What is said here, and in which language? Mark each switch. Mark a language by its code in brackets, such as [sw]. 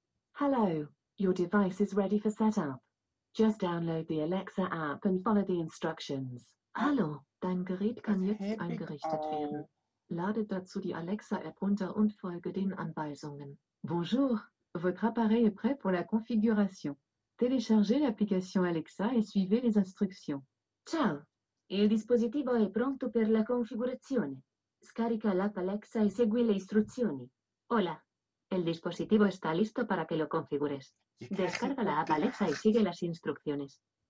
[en] Hallo, your device is ready for setup. Just download the Alexa app and follow the instructions. [de] Hallo, dein Gerät kann jetzt eingerichtet werden. Lade dazu die Alexa-App runter und folge den Anweisungen. [fr] Bonjour, votre appareil est prêt pour la configuration. Téléchargez l'application Alexa et suivez les instructions. [it] Ciao, il dispositivo è pronto per la configurazione. Scarica l'app Alexa e segui le istruzioni. [es] Hola, il dispositivo está listo para que lo configures. Descarga la app Alexa e sigue las instrucciones.